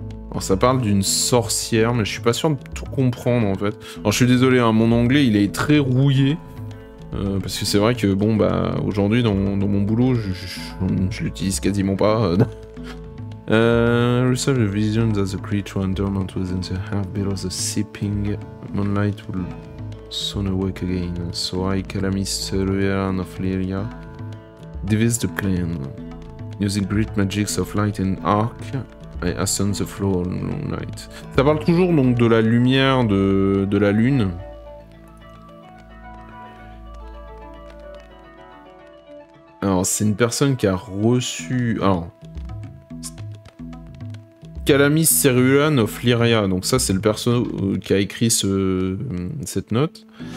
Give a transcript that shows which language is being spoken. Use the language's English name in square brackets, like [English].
[French] Alors ça parle d'une sorcière, mais je suis pas sûr de tout comprendre en fait. Alors je suis désolé, hein, mon anglais il est très rouillé. Parce que c'est vrai que, bon, bah, aujourd'hui, dans mon boulot, je l'utilise quasiment pas. [English] Receive a vision that the creature and dormant within the heart below the seeping moonlight will soon awake again. So I, Calamis Ruian of Lyria, devise the plan. Using great magics of light and arc, I ascend the flow of moonlight. [French] Ça parle toujours, donc, de la lumière de la lune. Alors, c'est une personne qui a reçu... Alors... Calamis Ceruian of Lyria. Donc ça, c'est le perso qui a écrit cette note.